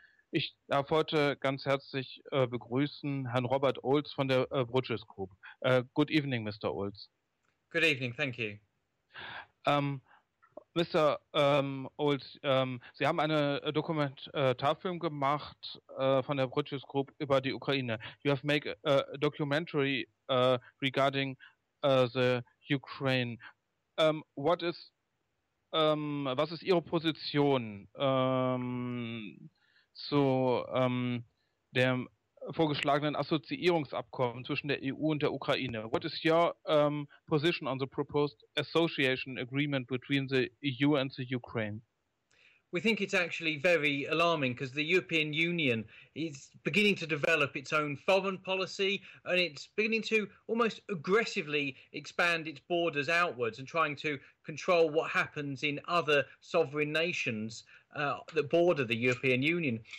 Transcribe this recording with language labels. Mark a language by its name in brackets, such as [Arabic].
[German] Ich darf heute ganz herzlich begrüßen Herrn Robert Ulz von der Bruges Group. [English] Good evening, Mr. Ulz. Good evening, thank you. Mr. [German] Ulz, Sie haben einen Dokumentarfilm gemacht von der Bruges Group über die Ukraine. [English] You have made a documentary regarding the Ukraine. [German] Was ist Ihre Position zu dem vorgeschlagenen Assoziierungsabkommen zwischen der EU und der Ukraine? [English] What is your position on the proposed association agreement between the EU and the Ukraine? We think it's actually very alarming because the European Union is beginning to develop its own foreign policy, and it's beginning to almost aggressively expand its borders outwards and trying to control what happens in other sovereign nations that border the European Union.